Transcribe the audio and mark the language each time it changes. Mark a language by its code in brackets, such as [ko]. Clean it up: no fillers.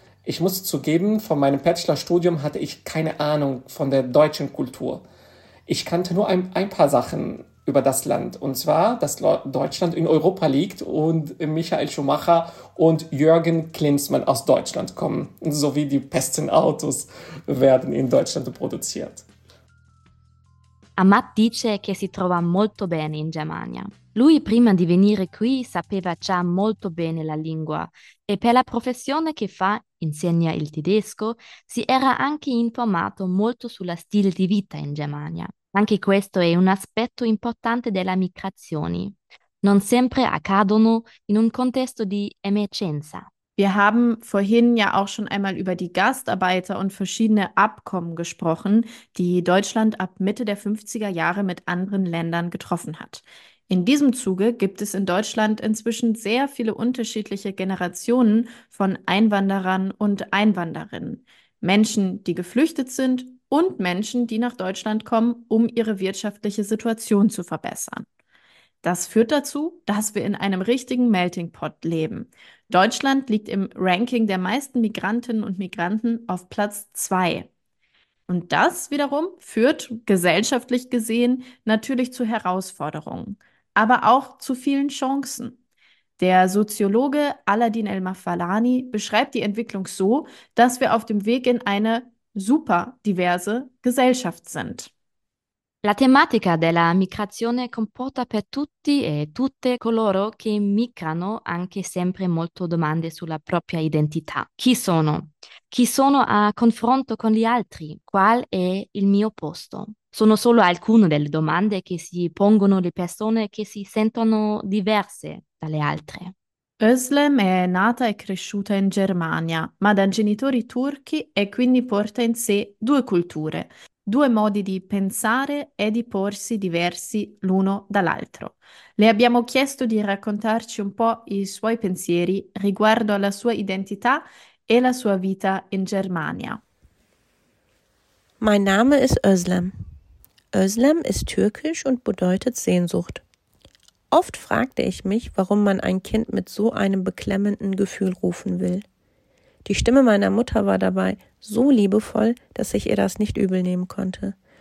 [de] Ich muss zugeben, vor meinem Bachelorstudium hatte ich keine Ahnung von der deutschen Kultur. Ich kannte nur ein paar Sachen über das Land. Und zwar, dass Deutschland in Europa liegt und Michael Schumacher und Jürgen Klinsmann aus Deutschland kommen. Sowie die besten Autos werden in Deutschland produziert. [it] Ahmad dice che si trova molto bene in Germania. Lui prima di venire qui sapeva già molto bene la lingua e per la professione che fa, insegna il tedesco, si era anche informato molto sullo stile di vita in Germania. Anche questo è un aspetto importante della migrazione. Non sempre accadono in un contesto di emergenza. [de] Wir haben vorhin ja auch schon einmal über die Gastarbeiter und verschiedene Abkommen gesprochen, die Deutschland ab Mitte der 50er Jahre mit anderen Ländern getroffen hat. In diesem Zuge gibt es in Deutschland inzwischen sehr viele unterschiedliche Generationen von Einwanderern und Einwanderinnen. Menschen, die geflüchtet sind und Menschen, die nach Deutschland kommen, um ihre wirtschaftliche Situation zu verbessern. Das führt dazu, dass wir in einem richtigen Melting Pot leben. Deutschland liegt im Ranking der meisten Migrantinnen und Migranten auf Platz 2. Und das wiederum führt gesellschaftlich gesehen natürlich zu Herausforderungen, aber auch zu vielen Chancen. Der Soziologe Aladin El-Mafalani beschreibt die Entwicklung so, dass wir auf dem Weg in eine super diverse Gesellschaft sind. [it] La tematica della migrazione comporta per tutti e tutte coloro che migrano anche sempre molto domande sulla propria identità. Chi sono? Chi sono a confronto con gli altri? Qual è il mio posto? Sono solo alcune delle domande che si pongono le persone che si sentono diverse dalle altre. Özlem è nata e cresciuta in Germania, ma da genitori turchi e quindi porta in sé due culture, due modi di pensare e di porsi diversi l'uno dall'altro. Le abbiamo chiesto di raccontarci un po' i suoi pensieri riguardo alla sua identità e la sua vita in Germania. [de] Mein Name ist Özlem. Özlem ist türkisch und bedeutet Sehnsucht. Oft fragte ich mich, warum man ein Kind mit so einem beklemmenden Gefühl rufen will. Die Stimme meiner Mutter war dabei so liebevoll, dass ich ihr das nicht übel nehmen konnte.